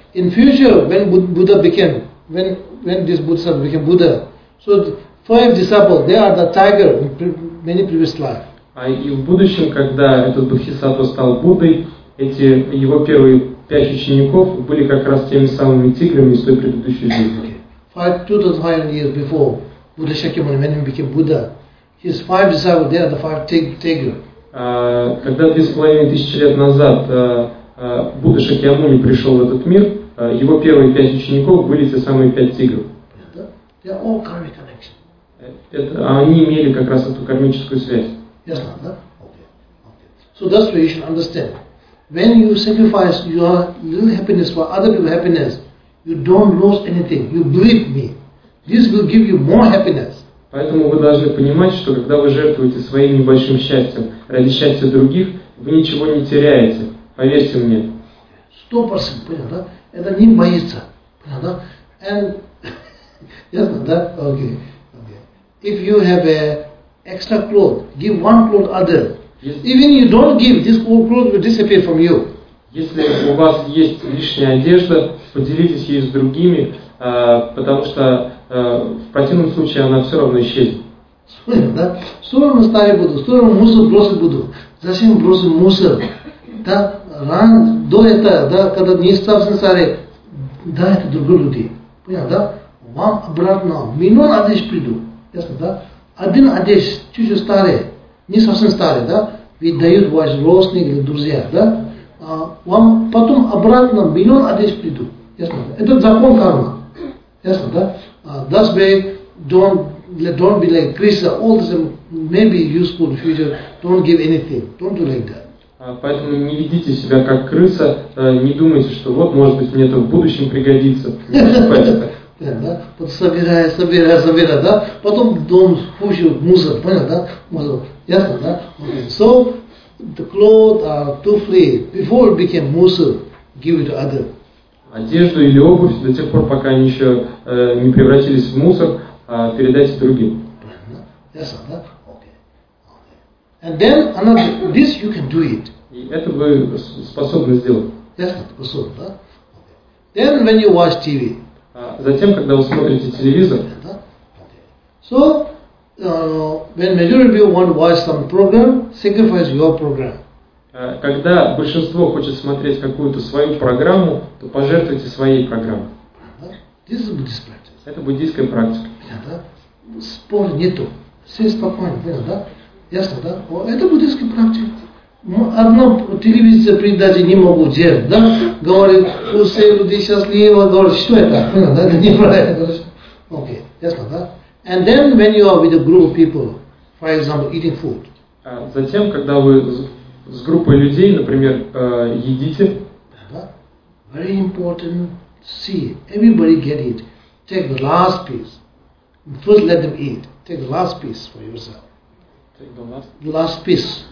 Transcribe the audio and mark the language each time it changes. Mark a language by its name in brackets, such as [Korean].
[English] In future, when Buddha became, when this Buddha became Buddha, so the five disciples, they are the tiger in many previous life. [Russian] А и в будущем, когда этот Бодхисаттва стал Буддой, эти его первые пять учеников были как раз теми самыми тиграми из той предыдущей жизни. [English] Five, 2,500 years before Buddha Shakyamuni, when he became Buddha, his five disciples, they are the five tigers. [Russian] Когда 2,500 лет назад Будда Шакьямуни пришел в этот мир, его первые пять учеников были те самые пять тигров. [English] They are all karmic connection. [Russian] Они имели как раз эту кармическую связь. [English] Yes, not, да? Okay. So that's why you should understand. When you sacrifice your little happiness for other people's happiness, you don't lose anything. You believe me. This will give you more happiness. [Russian] Поэтому вы должны понимать, что когда вы жертвуете своим небольшим счастьем ради счастья других, вы ничего не теряете. Поверьте мне. 100%, понятно, да? Это не боится. Понятно, да? [English] And, [Russian] ясно, да? [English] Okay. If you have a extra cloth, give one cloth to other. Even you don't give, this old clothes will disappear from you. [Russian] Если у вас есть лишняя одежда, поделитесь ею с другими, потому что в противном случае она все равно исчезнет. Да? В сторону ставить буду, в сторону мусор бросить буду. Зачем бросить мусор? Да? Ран, до этого, да, когда не стал сансаре, да, это другие люди. Понял, да? Вам обратно, миллион одежды приду. Ясно, да? Один одежды, чуть-чуть старый. Не совсем старый, да? Выдают ваши родственники или друзья, да? Вам потом обратно миллион одежды приду. Ясно? Это закон кармы. Ясно, да? [English] That's why don't be like Krishna. All this may be useful in the future. Don't give anything. Don't do like that. [Russian] Поэтому не ведите себя как крыса. Не думайте, что вот, может быть, мне это в будущем пригодится. Да? Вот собирая, да? Потом дом хуже, мусор, понял, да? Мусор. Ясно, да? [English] Okay. So, the clothes are too free. Before it became мусор, give it to other. [Russian] Одежду или обувь до тех пор, пока они еще не превратились в мусор, передайте другим. [English] Yes, да? Okay. And then another, this you can do it. [Russian] И это вы способны сделать. Ясно, [English] yes, [Russian] способны, да? [English] Okay. Then when you watch TV. [Russian] Затем, когда вы смотрите телевизор. [English] So, when majority want to watch some program, sacrifice your program. [Russian] Когда большинство хочет смотреть какую-то свою программу, то пожертвуйте своей программой. [English] This is Buddhist practice. [Russian] Это буддийская практика. Спор нету. Все спокойно, понятно, да? Ясно, да? Это буддийская практика. Одно телевизор передачи не могу делать, да? Говорит, что все люди счастливы, говорят, что это? Понятно, да? Это неправильно. Окей, ясно, да? [English] And then when you are with a group of people, for example, eating food. [Russian] Затем, когда вы с группой людей, например, едите. [English] Very important. See, everybody get it. Take the last piece. First let them eat. Take the last piece for yourself. Take the last piece.